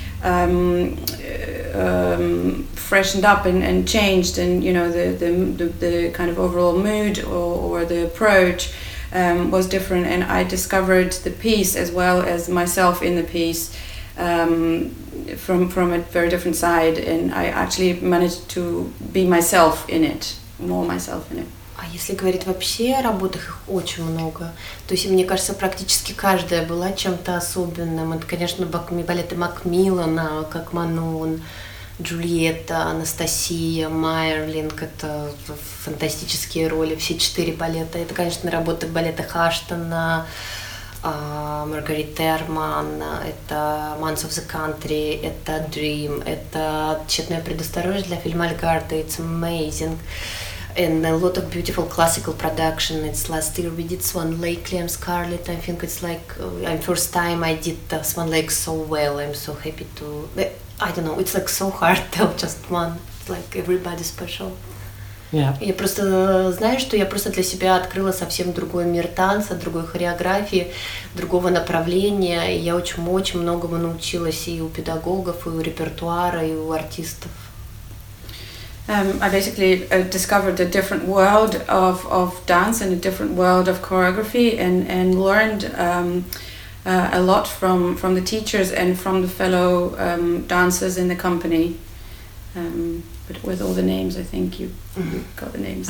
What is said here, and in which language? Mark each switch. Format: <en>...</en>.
<en>Freshened up and changed, and you know the kind of overall mood or the approach was different, and I discovered the piece as well as myself in the piece from a very different side, and I actually managed to be myself in it, more myself in it.</en> <ru>А если говорить вообще о работах, их очень много. То есть, мне кажется, практически каждая была чем-то особенным. Это, конечно, балеты Макмиллана, как Манон, Джульетта, Анастасия, Майерлинг. Это фантастические роли, все четыре балета. Это, конечно, работы балета Хаштона, Маргарита Эрман, это Months of the Country, это Dream, это «Тщетная предосторожность» для фильма Альгарда,</ru> <en>It's Amazing. And a lot of beautiful classical production. It's last year we did Swan Lake, Liam Scarlett. I think it's like first time I did Swan Lake so well. I'm so happy to. I don't know. It's like so hard to just one. It's like everybody special. Yeah.</en> <ru>Я просто знаю, что я просто для себя открыла совсем другой мир танца, другой хореографии, другого направления. И я очень многому научилась и у педагогов, и у репертуара, и у артистов.</ru> <en>I basically discovered a different world of dance and a different world of choreography, and learned a lot from the teachers and from the fellow dancers in the company. But with all the names, I think you got the names.</en>